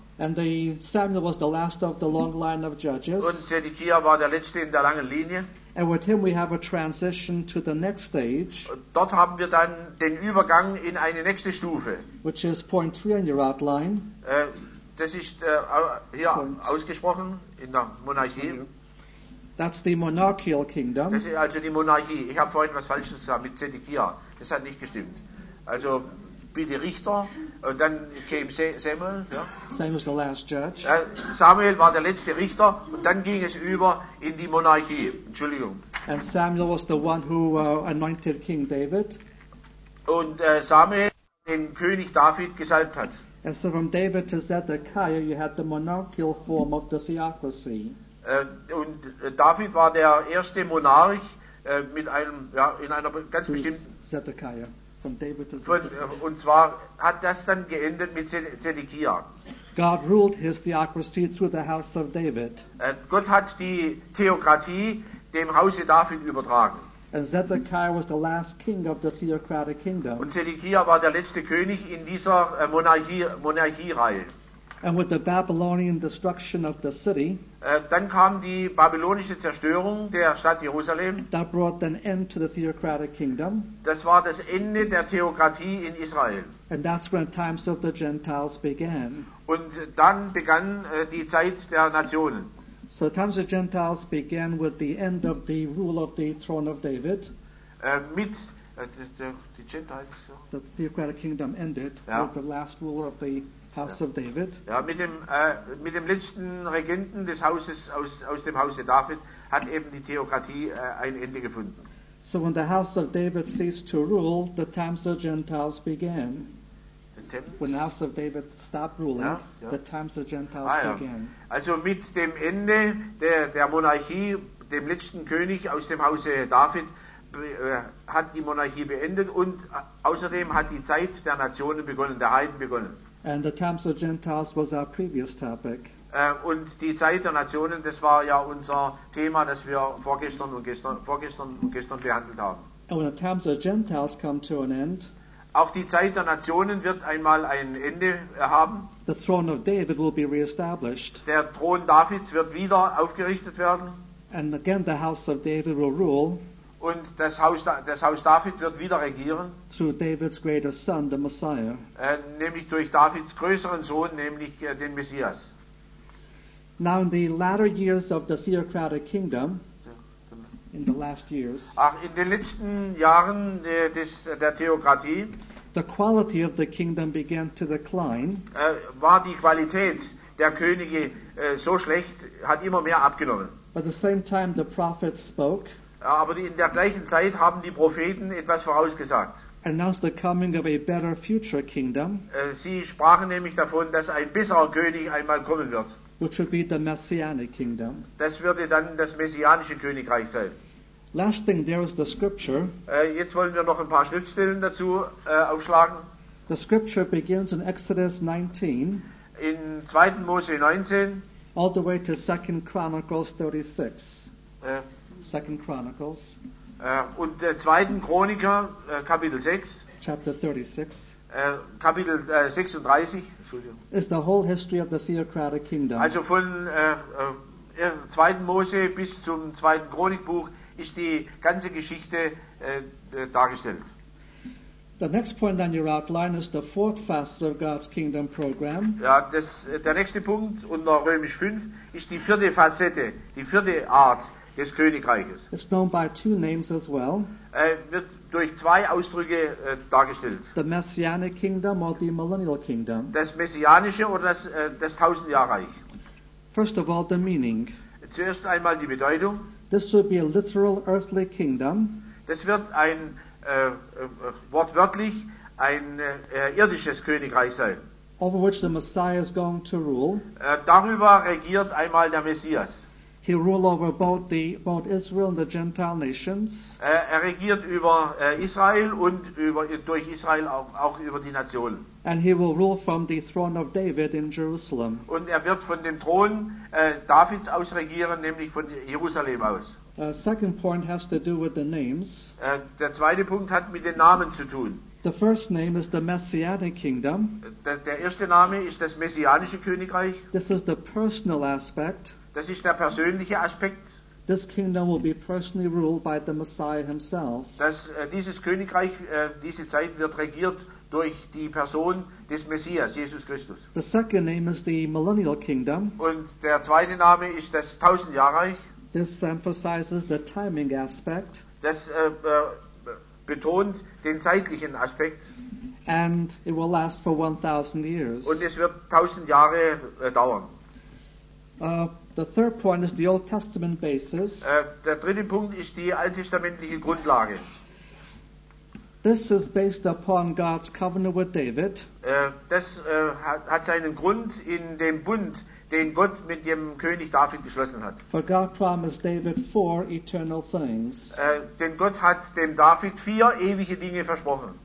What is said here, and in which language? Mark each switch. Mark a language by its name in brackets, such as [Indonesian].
[English] And Samuel was the last of the long line of judges. [German] Und Zedekiah war der letzte in der langen Linie. [English] And with him we have a transition to the next stage. [German] Dort haben wir dann den Übergang in eine nächste Stufe. [English] Which is point three on your outline. [German] Das ist hier point ausgesprochen in der Monarchie. [English] That's the monarchical kingdom. [German] Das ist also die Monarchie. Ich habe vorhin was Falsches gesagt mit Zedekiah. Das hat nicht gestimmt. Also wie die Richter und dann [English] came [German] Samuel. Ja. [English] Same as the last judge. [German] Samuel war der letzte Richter und dann ging es über in die Monarchie. Entschuldigung. [English] And Samuel was the one who anointed King David. [German] Und Samuel den König David gesalbt hat. [English] And so from David to Zedekiah you had the monarchical form of the theocracy. [German] Und David war der erste Monarch mit einem ja in einer ganz [English] to [German] bestimmten Zedekiah. Und zwar hat das dann geendet mit Zedekiah. [English] God ruled his theocracy through the house of David. [German] Gott hat die Theokratie dem Hause David übertragen. [English] And Zedekiah was the last king of the theocratic kingdom. [German] Und Zedekiah war der letzte König in dieser Monarchie-Reihe. [English] And with the Babylonian destruction of the city, [German] dann kam die babylonische Zerstörung der Stadt Jerusalem. [English] That brought an end to the theocratic kingdom. [German] Das war das Ende der Theokratie in Israel. [English] And that's when the times of the Gentiles began. [German] Und dann begann die Zeit der Nationen. [English] So the times of the Gentiles began with the end of the rule of the throne of David. [German] Mit die Gentiles, so. [English] The theocratic kingdom ended [German] ja. [English] With the last ruler of the house ja. Of David. [German] Ja, mit dem letzten Regenten des Hauses aus dem Hause David hat eben die Theokratie ein Ende gefunden. [English] So when the house of David ceased to rule, the times of Gentiles began. When the house of David stopped ruling, [German] ja, ja. [English] The times of Gentiles [German] ja. [English] Began. [German] Also mit dem Ende der Monarchie, dem letzten König aus dem Hause David, hat die Monarchie beendet und außerdem hat die Zeit der Nationen begonnen, der Heiden begonnen. [English] And the times of Gentiles was our previous topic. [German] Und die Zeit der Nationen, das war ja unser Thema, das wir vorgestern und gestern behandelt haben. [English] And when the times of Gentiles come to an end, [German] auch die Zeit der Nationen wird einmal ein Ende haben. [English] The throne of David will be reestablished. [German] Der Thron Davids wird wieder aufgerichtet werden. [English] And again the house of David will rule. [German] Und das Haus David wird wieder regieren. [English] Through David's greater son, the Messiah. [German] Nämlich durch Davids größeren Sohn, nämlich den Messias. [English] Now in the latter years of the theocratic kingdom, in the last years, [German] ach, in den letzten Jahren der Theokratie, [English] the quality of the kingdom began to decline. [German] War die Qualität der Könige so schlecht, hat immer mehr abgenommen. [English] At the same time the prophets spoke, [German] aber in der gleichen Zeit haben die Propheten etwas vorausgesagt. [English] Announced the coming of a better future kingdom. [German] Sie sprachen nämlich davon, dass ein besserer König einmal kommen wird. [English] Which would be the messianic kingdom. [German] Das würde dann das messianische Königreich sein. [English] Last thing, there is the scripture. [German] Jetzt wollen wir noch ein paar Schriftstellen dazu aufschlagen. [English] The scripture begins in Exodus 19. [German] In 2. Mose 19. [English] All the way to 2 Chronicles 36. 2 Chronicles. [German] Und der 2. Chroniker, Kapitel 6. [English] Chapter 36. [German] Kapitel 36. [English] Is the whole history of the theocratic kingdom. [German] Also von 2. Mose bis zum 2. Chronikbuch ist die ganze Geschichte dargestellt. [English] The next point on your outline is the fourth facet of God's kingdom program. [German] Ja, der nächste Punkt unter Römisch 5 ist die vierte Facette, die vierte Art des Königreiches. [English] It's known by two names as well. [German] Wird durch zwei Ausdrücke dargestellt. [English] The messianic kingdom or the millennial kingdom. [German] Das messianische oder das Tausendjahrreich. [English] First of all, the meaning. [German] Zuerst einmal die Bedeutung. [English] This will be a literal earthly kingdom. [German] Das wird ein wortwörtlich ein irdisches Königreich sein. [English] Over which the Messiah is going to rule. [German] Darüber regiert einmal der Messias. [English] He rule over both Israel and the Gentile nations. [German] Er regiert über Israel und durch Israel auch über die Nationen. [English] And he will rule from the throne of David in Jerusalem. [German] Und er wird von dem Thron Davids aus regieren, nämlich von Jerusalem aus. [English] Second point has to do with the names. [German] Der zweite Punkt hat mit den Namen zu tun. [English] The first name is the Messianic Kingdom. [German] Der erste Name ist das messianische Königreich. [English] This is the personal aspect. [German] Das ist der persönliche Aspekt. [English] This kingdom will be personally ruled by the Messiah himself. [German] Dieses Königreich, diese Zeit wird regiert durch die Person des Messias, Jesus Christus. [English] The second name is the Millennial Kingdom. [German] Und der zweite Name ist das Tausendjahrreich. [English] This emphasizes the timing aspect. [German] Das betont den zeitlichen Aspekt. [English] And it will last for 1,000 years. [German] Und es wird 1,000 Jahre dauern. [English] The third point is the Old Testament basis. [German] Der dritte Punkt ist die alttestamentliche Grundlage. [English] This is based upon God's covenant with David. [German] Das hat seinen Grund in dem Bund, den Gott mit dem König David geschlossen hat. [English] For God promised David four eternal things. [German] Denn Gott hat dem David vier ewige Dinge versprochen.